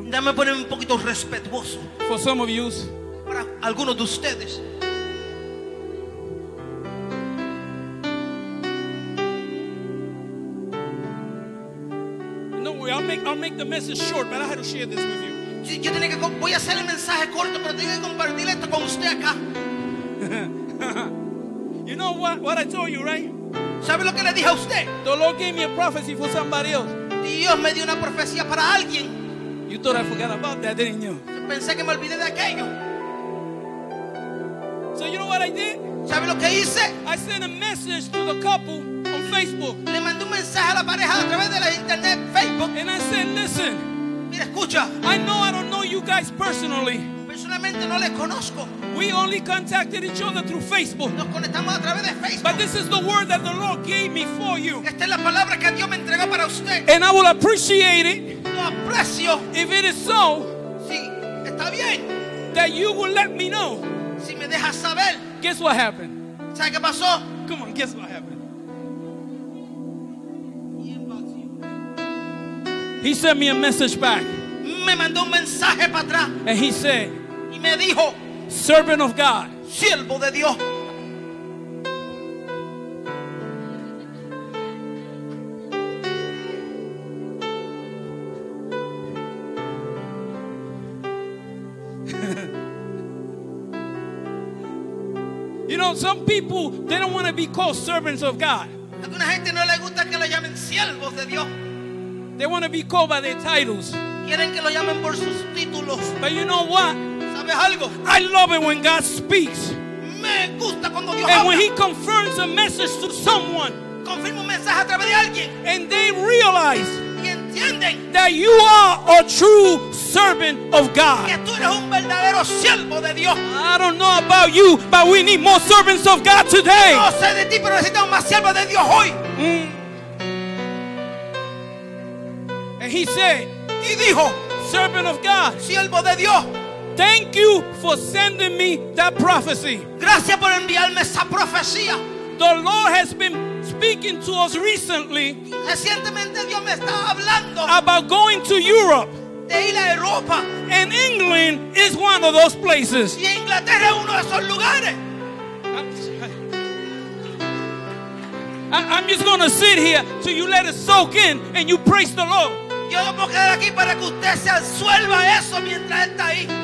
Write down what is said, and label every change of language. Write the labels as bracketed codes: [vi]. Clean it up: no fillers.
[es] Dame poner un poquito respetuoso. [en] For some of you, [es] para algunos de ustedes. [en] No worry, I'll make the message short, but I had to share this with you. [es] Yo tenía que, voy a hacer el mensaje corto, pero tengo que compartir esto con usted acá. [en] You know what I told you, right? [es] ¿Sabe lo que le dije a usted? [en] The Lord gave me a prophecy for somebody else. [es] Dios me dio una profecía para alguien. [en] You thought I forgot about that, didn't you? [es] Pensé que me olvidé de aquello. [en] So you know what I did? [es] ¿Sabe lo que hice? [en] I sent a message to the couple on Facebook. [es] Le mandé un mensaje a la pareja a través de la internet, Facebook. [en] And I said, listen. [es] Escucha, [en] I know I don't know you guys personally. [es] personalmente no le conozco. [en] We only contacted each other through Facebook. [es] Nos conectamos a través de Facebook. [en] But this is the word that the Lord gave me for you. [es] Esta es la palabra que Dios me entregó para usted. [en] And I will appreciate it. [es] Lo aprecio. [en] If it is so. [es] Sí, está bien. [en] That you will let me know. [es] Si me dejas saber. [en] Guess what happened? [es] ¿Sabe qué pasó? [en] Come on, guess what happened? He sent me a message back. [es] Me mandó un mensaje para atrás. [en] And he said, [es] y me dijo, [en] servant of God, [es] siervo de Dios. [en] You know, some people, they don't want to be called servants of God. [es] Alguna gente no le gusta que lo llamen siervos de Dios. [en] They want to be called by their titles. [es] Quieren que lo llamen por sus títulos. [en] But you know what? [es] ¿Sabes algo? [en] I love it when God speaks. [es] Me gusta cuando Dios [en] and [es] habla. [en] When he confirms a message to someone. [es] Confirma un mensaje a través de alguien. [en] And they realize. [es] Y entienden. [en] That you are a true servant of God. [es] Que tú eres un verdadero siervo de Dios. [en] I don't know about you, but we need more servants of God today. [es] No sé de ti, pero necesitamos más siervos de Dios hoy. [en] And he said, [es] y dijo, [en] servant of God, [es] siervo de Dios, [en] thank you for sending me that prophecy. [es] Gracias por enviarme esa profecía. [en] The Lord has been speaking to us recently. [es] Recientemente Dios me está hablando [en] about going to Europe. [es] De ir a Europa. [en] And England is one of those places. [es] Y Inglaterra es uno de esos lugares. [en] I'm just going to sit here till you let it soak in and you praise the Lord. [es] Yo voy a quedar aquí para que usted se absuelva eso mientras está ahí.